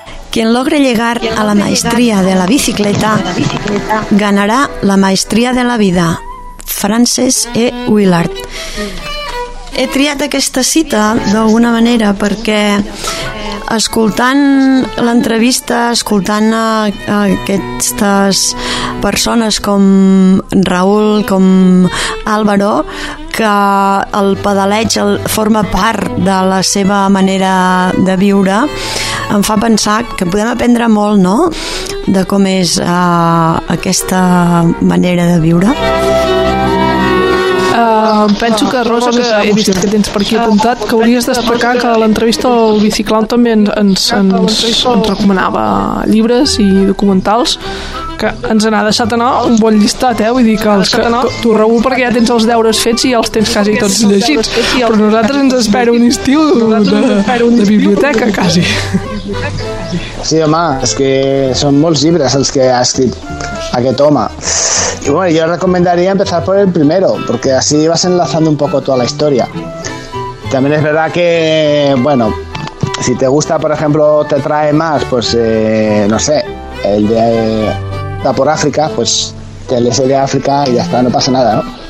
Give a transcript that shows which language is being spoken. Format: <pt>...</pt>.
<es>Quien logre llegar a la maestría de la bicicleta ganará la maestría de la vida. Frances E. Willard.</es> <ca>He triat aquesta cita d'alguna manera perquè escoltant l'entrevista, escoltant aquestes persones com Raül, com Álvaro, que el pedaleig forma part de la seva manera de viure, em fa pensar que podem aprendre molt, no?, de com és aquesta manera de viure. Penso que, Rosa, que he vist que tens per aquí apuntat, que hauries de destacar que l'entrevista al Biciclown també ens recomanava llibres i documentals, que ens n'ha deixat anar un bon llistat, vull dir que els que tu, Raül, perquè ja tens els deures fets i ja els tens quasi tots llegits, però nosaltres ens espera un estiu de biblioteca, quasi. Sí, home, és que són molts llibres els que ha escrit aquest home.</ca> <es>Y bueno, yo recomendaría empezar por el primero, porque así vas enlazando un poco toda la historia. También es verdad que, bueno, si te gusta, por ejemplo, te trae más, pues, no sé, el de la por África, pues te lees el de África y ya está, no pasa nada, ¿no?</es>